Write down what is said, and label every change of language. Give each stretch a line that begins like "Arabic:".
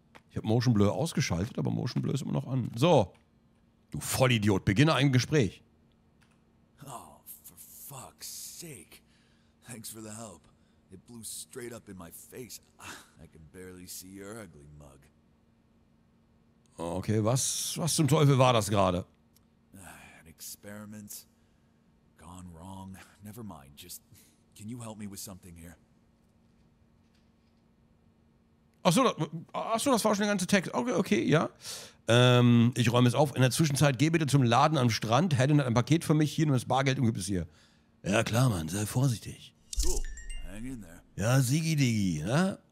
German: Ich habe Motion Blur ausgeschaltet, aber Motion Blur ist immer noch an. So. Du Vollidiot, beginne ein Gespräch.
English: Oh, for fuck's sake. Thanks for the help. It blew straight up in my face. I can barely see your ugly mug.
German: Okay, was zum Teufel war das gerade?
English: An experiment gone wrong. Never mind. Just can you help me with something here?
German: Ach so, das war schon der ganze Text. Okay, ja. Ich räume es auf. In der Zwischenzeit geh bitte zum Laden am Strand. Helen hat ein Paket für mich. Hier nur das Bargeld und gib es hier. Ja klar, Mann. Sei vorsichtig.
English: In there.
German: Ja, Sigi Digi, ne?